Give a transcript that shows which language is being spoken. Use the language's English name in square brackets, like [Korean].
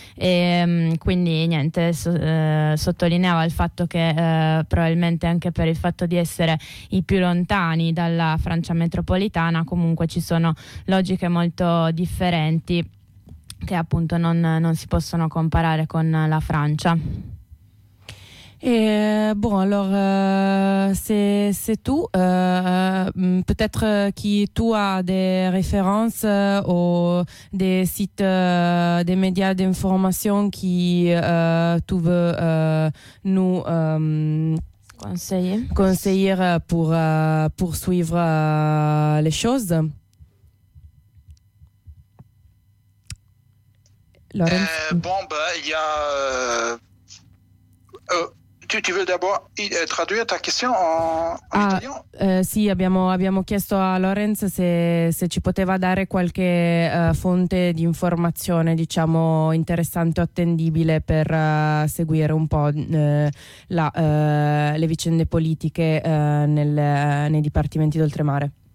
[Italian] E quindi niente, sottolineava il fatto che probabilmente anche per il fatto di essere i più lontani dalla Francia metropolitana, comunque ci sono logiche molto differenti che appunto non si possono comparare con la Francia. [French] C'est tout. Peut-être que tu as des références ou des sites, des médias d'information qui tu veux nous conseiller pour poursuivre les choses. Laurence? Tu veux d'abord traduire ta question en italien? [Italian] Sì, abbiamo chiesto a Lorenz se ci poteva dare qualche fonte di informazione, diciamo, interessante o attendibile per seguire un po' le vicende politiche nei dipartimenti d'oltremare.